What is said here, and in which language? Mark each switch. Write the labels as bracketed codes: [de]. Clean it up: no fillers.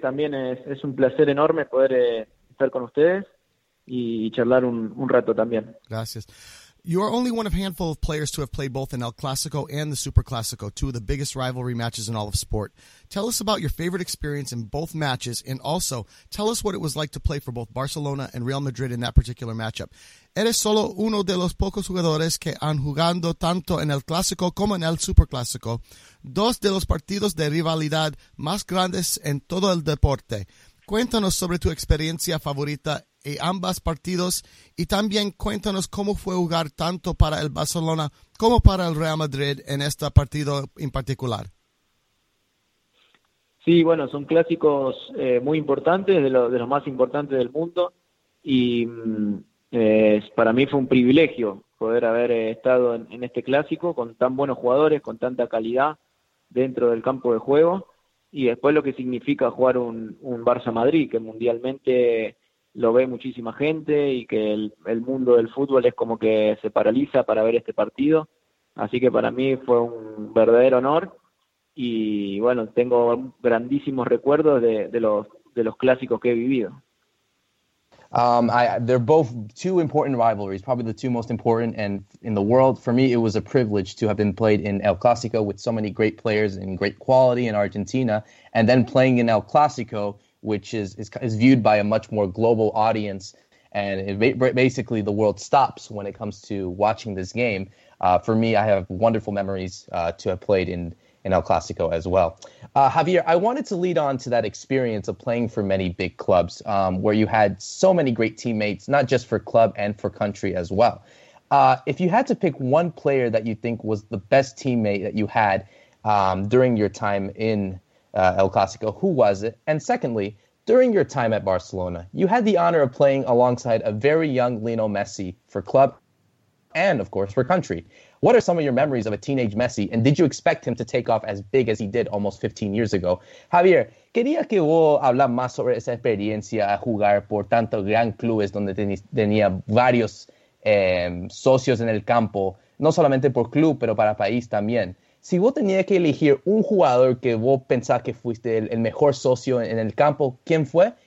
[es] También es un placer enorme poder estar con ustedes y charlar un rato también. Gracias. [en] You are only one of a handful of players to have played both in El Clásico and the Super Clásico, two of the biggest rivalry matches in all of sport. Tell us about your favorite experience in both matches, and also tell us what it was like to play for both Barcelona and Real Madrid in that particular matchup. [es] Eres solo uno de los pocos jugadores que han jugado tanto en El Clásico como en el Super Clásico, dos de los partidos de rivalidad más grandes en todo el deporte. Cuéntanos sobre tu experiencia favorita y ambas partidos, y también cuéntanos cómo fue jugar tanto para el Barcelona como para el Real Madrid en este partido en particular. Sí, bueno, son clásicos muy importantes, de los más importantes del mundo, y para mí fue un privilegio poder haber estado en este clásico con tan buenos jugadores, con tanta calidad dentro del campo de juego, y después lo que significa jugar un Barça-Madrid, que mundialmente lo ve muchísima gente y que el mundo del fútbol es como que se paraliza para ver este partido. Así que para mí fue un verdadero honor y, bueno, tengo grandísimos recuerdos de los clásicos que he vivido. [en] They're both two important rivalries, probably the two most important and in the world. For me, it was a privilege to have been played in El Clásico with so many great players and great quality in Argentina, and then playing in El Clásico, which is viewed by a much more global audience, and basically the world stops when it comes to watching this game. For me, I have wonderful memories to have played in El Clásico as well. Javier, I wanted to lead on to that experience of playing for many big clubs where you had so many great teammates, not just for club and for country as well. If you had to pick one player that you think was the best teammate that you had during your time in El Clásico, who was it? And secondly, during your time at Barcelona, you had the honor of playing alongside a very young Lionel Messi for club and, of course, for country. What are some of your memories of a teenage Messi, and did you expect him to take off as big as he did almost 15 years ago? [es] Javier, quería que vos hablas más sobre esa experiencia a jugar por tantos gran clubes donde tenía varios socios en el campo, no solamente por club, pero para país también. Si vos tenías que elegir un jugador que vos pensás que fuiste el mejor socio en el campo, ¿quién fue?